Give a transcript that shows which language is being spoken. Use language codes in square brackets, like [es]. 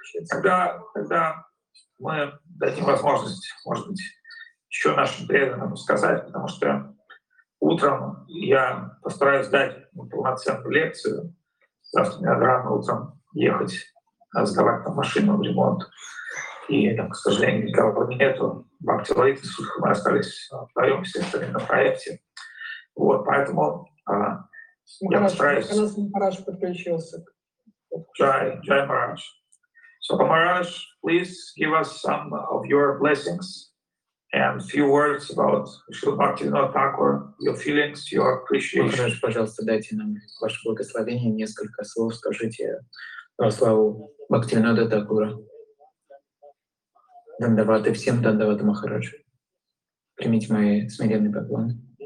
[ru] Тогда мы дадим возможность, может быть, еще нашим преданным сказать, потому что утром я постараюсь дать полноценную лекцию. Завтра мне надо рано утром ехать, сдавать там машину в ремонт. И, к сожалению, никого нету. Бхактилаид и Сутха, мы остались вдвоем все остальные на проекте. Вот, поэтому [en] Jai Maharaj. So, Maharaj, please give us some of your blessings And few words about Шрила Бхактивинода Тхакура, your feelings, your appreciation. [ru] Пожалуйста, дайте нам ваше благословение, несколько слов скажите про славу Бхактивинода Тхакура. Дандаваты всем, Дандаваты Махараджу. Примите мои смиренные поклоны.